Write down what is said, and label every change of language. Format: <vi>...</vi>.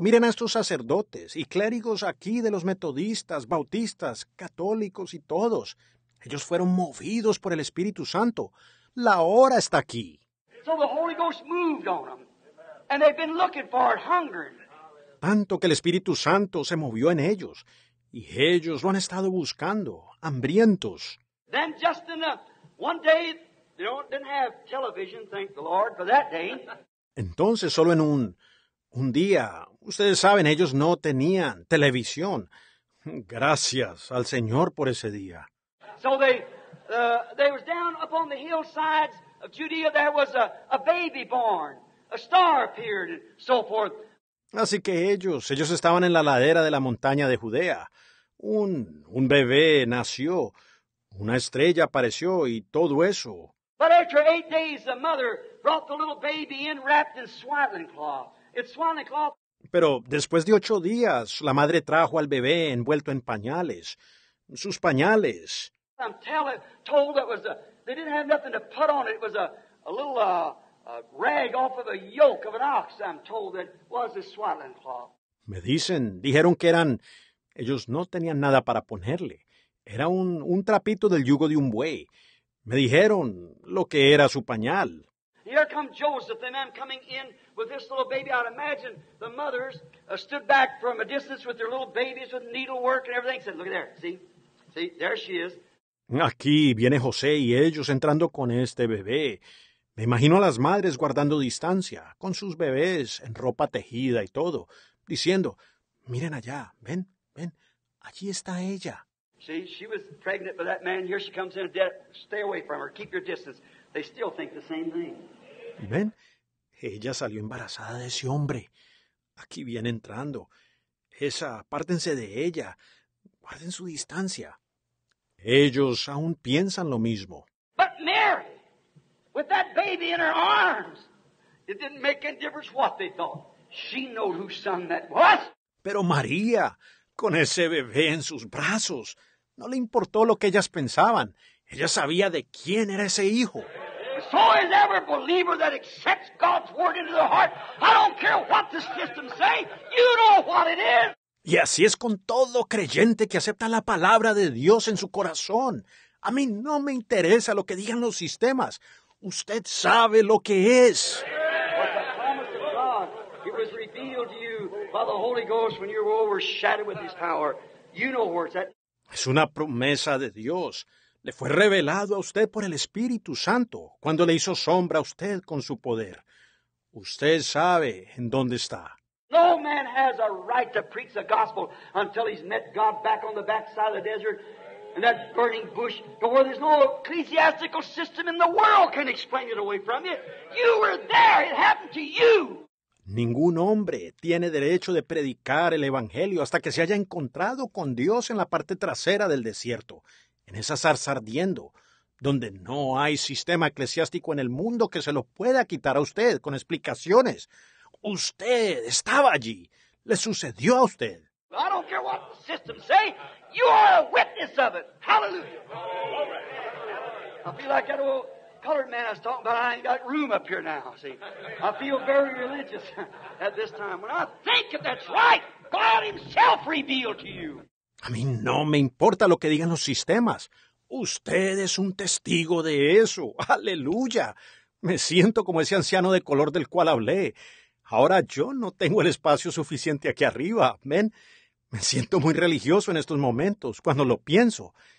<es>Miren a estos sacerdotes y clérigos aquí de los metodistas, bautistas, católicos y todos. Ellos fueron movidos por el Espíritu Santo. La hora está aquí.</es> <en>So the Holy Ghost moved on them. And they've been looking for it, hungering.</en> <es>Tanto que el Espíritu Santo se movió en ellos. Y ellos lo han estado buscando, hambrientos.</es> <en>Then just in one day, they didn't have television, thank the Lord, for that day.</en> <es>Entonces, solo en un día, ustedes saben, ellos no tenían televisión. Gracias al Señor por ese día.</es> <en>So they was down upon the hillsides of Judea, there was a baby born. A star appeared and so forth.</en> <es>Así que ellos estaban en la ladera de la montaña de Judea. Un bebé nació, una estrella apareció y todo eso.</es> <en>But after 8 days, the mother brought the little baby in wrapped in swaddling cloth. It's swaddling cloth.</en> <es>Pero después de 8 días, la madre trajo al bebé envuelto en pañales, sus pañales.</es> <en>I'm telling, told that was a, they didn't have nothing to put on it. It was a rag off of the yoke of an ox, I'm told, that was a swaddling cloth.</en> <es>Me dicen, dijeron que eran, ellos no tenían nada para ponerle. Era un trapito del yugo de un buey. Me dijeron lo que era su pañal.</es> <en>Here come Joseph, the man coming in with this little baby. I'd imagine the mothers stood back from a distance with their little babies with needlework and everything. Said, look at there, see, there she is.</en> <es>Aquí viene José y ellos entrando con este bebé. Me imagino a las madres guardando distancia, con sus bebés, en ropa tejida y todo, diciendo, miren allá, ven, allí está ella.</es> <en>See, she was pregnant by that man. Here she comes in dead. Stay away from her. Keep your distance. They still think the same thing.</en> <es>Ven, ella salió embarazada de ese hombre. Aquí viene entrando. Esa, apártense de ella. Guarden su distancia. Ellos aún piensan lo mismo.</es> <en>But Mary! With that baby in her arms, it didn't make any difference what they thought. She knew whose son that was.</en> <es>Pero María, con ese bebé en sus brazos, no le importó lo que ellas pensaban. Ella sabía de quién era ese hijo.</es> <en>So is every believer that accepts God's word into their heart. I don't care what the system say. You know what it is.</en> <es>Y así es con todo creyente que acepta la palabra de Dios en su corazón. A mí no me interesa lo que digan los sistemas. Usted sabe lo que es.</es> <en>But the promise of God, it was revealed to you by the Holy Ghost when you were overshadowed with His power. You know where it's at.</en> <es>Es una promesa de Dios. Le fue revelado a usted por el Espíritu Santo cuando le hizo sombra a usted con su poder. Usted sabe en dónde está.</es> <en>No man has a right to preach the gospel until he's met God back on the backside of the desert. And that burning bush, to where there's no ecclesiastical system in the world can explain it away from you. You were there. It happened to you.</en> <es>Ningún hombre tiene derecho de predicar el evangelio hasta que se haya encontrado con Dios en la parte trasera del desierto, en esa zarza ardiendo, donde no hay sistema eclesiástico en el mundo que se lo pueda quitar a usted con explicaciones. Usted estaba allí. Le sucedió a usted.</es> <en>I don't care what the system say. You are a witness of it. Hallelujah. I feel like that old colored man I was talking about, I ain't got room up here now, see. I feel very religious at this time. When I think of that's right, God himself revealed to you.</en> <es>A mí no me importa lo que digan los sistemas. Usted es un testigo de eso. ¡Aleluya! Me siento como ese anciano de color del cual hablé. Ahora yo no tengo el espacio suficiente aquí arriba. Amén. Me siento muy religioso en estos momentos, cuando lo pienso.</es>